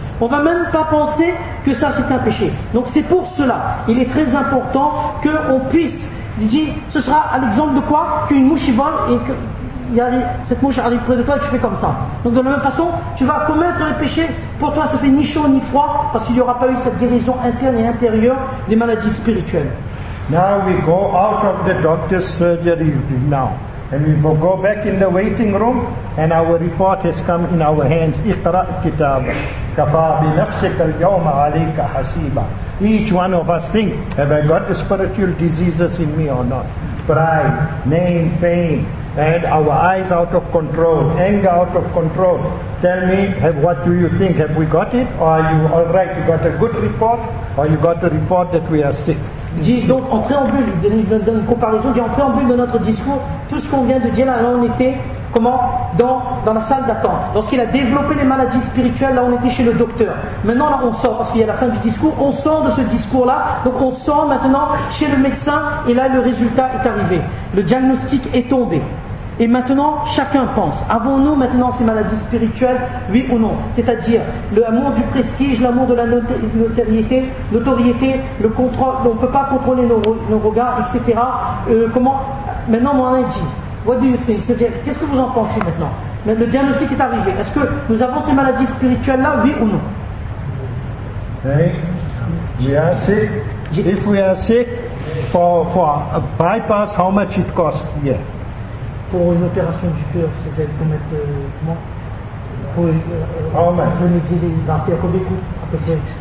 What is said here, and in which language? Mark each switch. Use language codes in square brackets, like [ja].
[fr] On va même pas penser que ça c'est un péché. Donc c'est pour cela, il est très important qu'on puisse, il dit, ce sera à l'exemple de quoi? Qu'une mouche vole et que cette mouche arrive près de toi et tu fais comme ça. Donc de la même façon, tu vas commettre le péché, pour toi ça fait ni chaud ni froid, parce qu'il n'y aura pas eu cette guérison interne et intérieure des maladies spirituelles. [en] Now we go out of the doctor's surgery now, and we will go back in the waiting room, and our report has come in our hands. [ar] اقرأ كتاب كفى بنفسك اليوم عليك حسيبا. [en] Each one of us think, have I got the spiritual diseases in me or not? Pride, name, fame, and our eyes out of control, anger out of control. Tell me, what do you think? Have we got it? Or are you all right? You got a good report? Or you got a report that we are sick? [fr] Disent donc en préambule, donne une comparaison, disent en préambule de notre discours, tout ce qu'on vient de dire là, on était Comment? Dans la salle d'attente. Lorsqu'il a développé les maladies spirituelles, là on était chez le docteur. Maintenant là on sort, parce qu'il y a la fin du discours, on sort de ce discours-là. Donc on sort maintenant chez le médecin, et là le résultat est arrivé. Le diagnostic est tombé. Et maintenant, chacun pense, avons-nous maintenant ces maladies spirituelles, oui ou non? C'est-à-dire, l'amour du prestige, l'amour de la notoriété, le contrôle, on ne peut pas contrôler nos regards, etc. Comment? Maintenant, on en a dit. [en] What do you think? [fr] C'est-à-dire, qu'est-ce que vous en pensez maintenant? Le diagnostic est arrivé. Est-ce que nous avons ces maladies spirituelles-là, oui ou non? [en] Hey, we are sick. If we are sick, for a bypass, how much it costs? Yeah. [fr] Pour une opération du cœur, c'est-à-dire pour mettre comment pour Pour nous dire les artères, combien coûte à peu près?